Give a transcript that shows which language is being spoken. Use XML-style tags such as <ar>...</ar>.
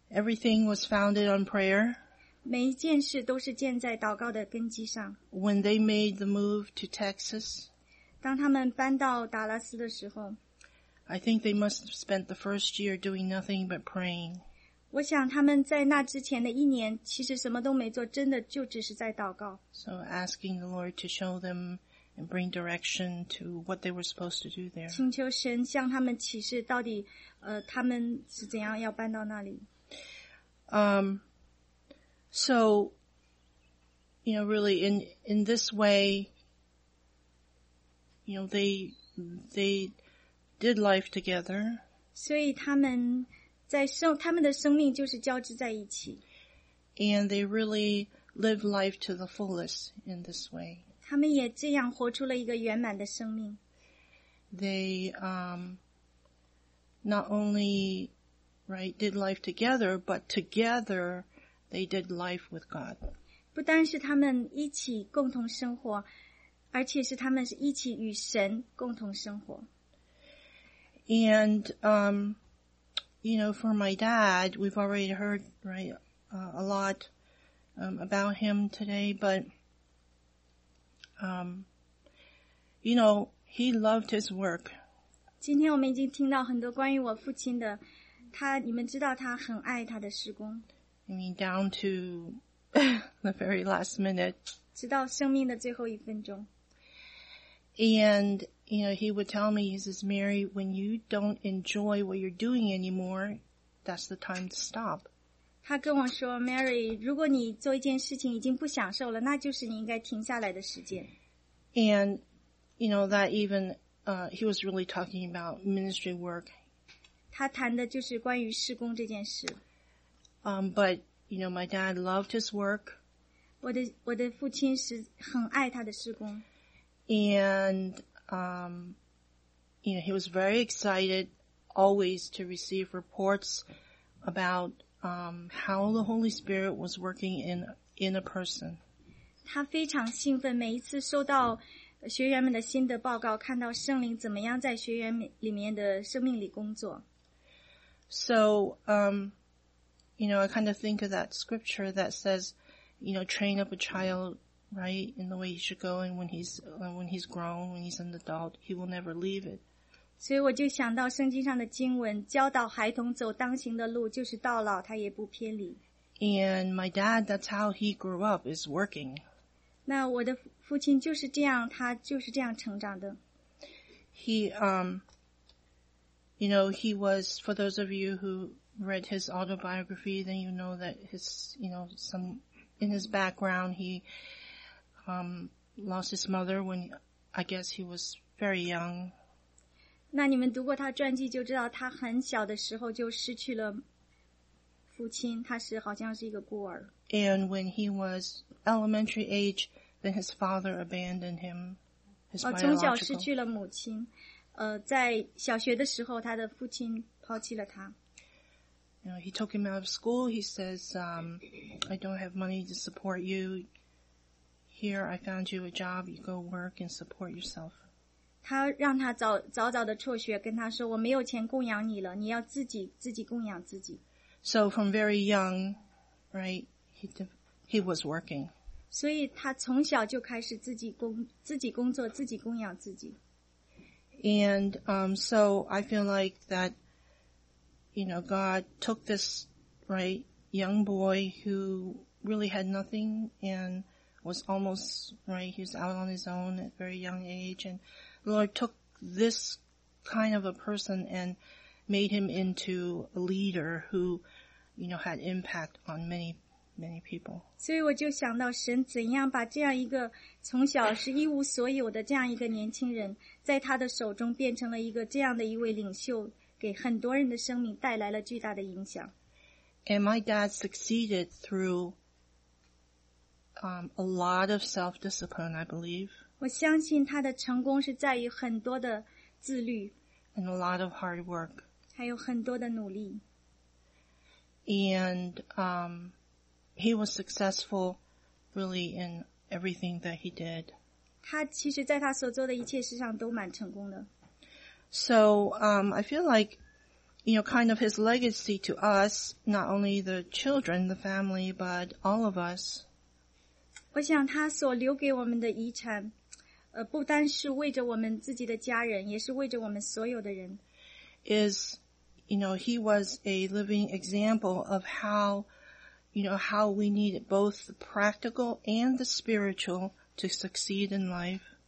<en>Everything was founded on prayer.</en> <zh>每一件事都是建在祷告的根基上。</zh> <en>When they made the move to Texas,</en> <zh>当他们搬到达拉斯的时候，</zh> <en>I think they must have spent the first year doing nothing but praying.</en> <zh>我想他们在那之前的一年，其实什么都没做，真的就只是在祷告。</zh> <en>So asking the Lord to show them and bring direction to what they were supposed to do there.</en> <zh>请求神向他们启示，到底他们是怎样要搬到那里。</zh> <en>So, you know, really, in this way, you know, they did life together.</en> <zh>所以他们的生命就是交织在一起。</zh> <en>And they really lived life to the fullest in this way.</en> <zh>他们也这样活出了一个圆满的生命。</zh> <en>They, not only, right, did life together, but together,They did life with God.</en> <zh>不单是他们一起共同生活，而且是他们是一起与神共同生活。</zh> <en>And, you know, for my dad, we've already heard, right, a lot, about him today, but, you know, he loved his work.</en> <zh>今天我们已经听到很多关于我父亲的，你们知道他很爱他的事工。</zh> <en>I mean, down to the very last minute.</en> <zh>直到生命的最后一分钟。</zh> <en>And, you know, he would tell me, he says, Mary, when you don't enjoy what you're doing anymore, that's the time to stop.</en> <zh>他跟我说， Mary, 如果你做一件事情已经不享受了，那就是你应该停下来的时间。</zh> <en>And, you know, that even, he was really talking about ministry work.</en> <zh>他谈的就是关于事工这件事。</zh> <en>But, you know, my dad loved his work.</en> <zh>我的父亲是很爱他的事工。</zh> <en>And, you know, he was very excited always to receive reports about, how the Holy Spirit was working in a person.</en> <zh>他非常兴奋，每一次收到学员们的新的报告，看到圣灵怎么样在学员里面的生命里工作。</zh> <en>So, You know, I kind of think of that scripture that says, you know, train up a child, right, in the way he should go, and when he's grown, when he's an adult, he will never leave it.</en> <zh>所以我就想到圣经上的经文，教导孩童走当行的路，就是到老他也不偏离。</zh> <en>And my dad, that's how he grew up, is working.</en> <zh>那我的父亲就是这样，他就是这样成长的。</zh> <en>He, you know, he was, for those of you who read his autobiography, then you know that his, you know, some, in his background, he lost his mother when, I guess he was very young.</en> <zh>那你们读过他传记就知道他很小的时候就失去了父亲，他是好像是一个孤儿。</zh> <en>And when he was elementary age, then his father abandoned him, his biological.</en> <zh>从小失去了母亲，在小学的时候他的父亲抛弃了他。</zh> <en>You know, he took him out of school. He says, I don't have money to support you. Here, I found you a job. You go work and support yourself.</en> <zh>他让他早早的辍学，跟他说，我没有钱供养你了，你要自己供养自己。</zh> <en>So from very young, right, he was working.</en> <zh>所以他从小就开始自己工作，自己供养自己。</zh> <en>And, so I feel like that, you know, God took this, right, young boy who really had nothing and was almost, right, he was out on his own at a very young age, and the Lord took this kind of a person and made him into a leader who, you know, had impact on many, many people.</en> <zh>所以我就想到神怎样把这样一个从小是一无所有的这样一个年轻人在他的手中变成了一个这样的一位领袖，给很多人的生命带来了巨大的影响。</zh> <en>And my dad succeeded through a lot of self-discipline, I believe.</en> <zh>我相信他的成功是在于很多的自律。</zh> <en>And a lot of hard work.</en> <zh>还有很多的努力。</zh> <en>And he was successful really in everything that he did.</en> <zh>他其实在他所做的一切事上都蛮成功的。</zh> <en>So I feel like, you know, kind of his legacy to us, not only the children, the family, but all of us.</en> <zh>我想他所留给我们的遗产，不单是为着我们自己的家人，也是为着我们所有的人。</zh> <en>Is, you know, he was a living example of how, you know, how we need both the practical and the spiritual to succeed in life.</en>